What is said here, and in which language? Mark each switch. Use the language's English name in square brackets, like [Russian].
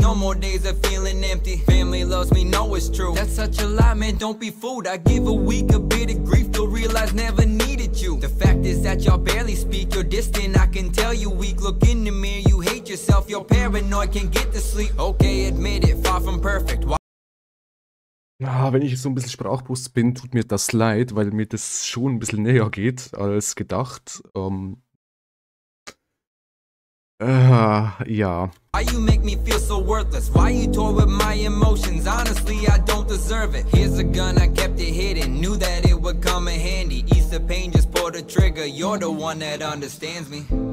[English] No more days of feeling empty. Family loves me, know it's true. That's such a lie, man, don't be fooled. I give a week a bit of grief. They'll realize never needed you. The fact is that y'all barely speak. You're distant, I can tell you weak. Look in the mirror. You hate yourself, you're paranoid, can't get to sleep. Okay, admit it, far from perfect. [German] Ja, wenn ich so ein bisschen Sprachbrust bin, tut mir das leid, weil mir das schon ein bisschen näher geht als gedacht. Ja. [English] Why you make me feel so worthless? Why you toy with my emotions? Honestly, I don't deserve it. Here's a gun, I kept it hidden. Knew that it would come in handy. Ease the pain, just pull the trigger. You're the one that understands me.